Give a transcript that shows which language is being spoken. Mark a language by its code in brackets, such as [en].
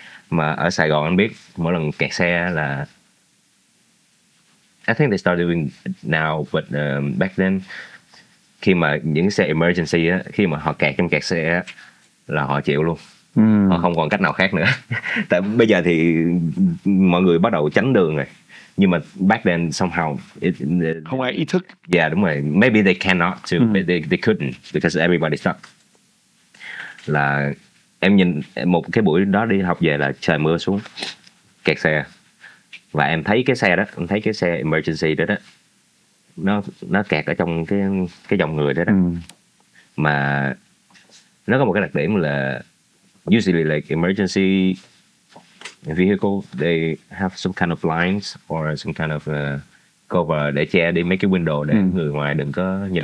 [vi] Mà ở Sài Gòn anh biết mỗi lần kẹt xe là [en] I think they started doing now, but back then [vi] khi mà những xe emergency á, khi mà họ kẹt trong kẹt xe á, là họ chịu luôn. Mm. Họ không còn cách nào khác nữa. Tại bây giờ thì mọi người bắt đầu tránh đường rồi. Nhưng mà [en] back then somehow [vi] không ai ý thức. Yeah, đúng rồi. [en] Maybe they cannot to, mm, they couldn't because everybody stuck. [vi] Là em nhìn một cái buổi đó đi học về là trời mưa xuống, kẹt xe. Và em thấy cái xe đó, em thấy cái xe emergency đó đó, nó kẹt ở trong cái dòng người đó đó. Mm. Mà nó có một cái đặc điểm là [en] usually like emergency vehicle they have some kind of blinds or some kind of cover [vi] để che đi mấy cái window để, ừ, người ngoài đừng có nhìn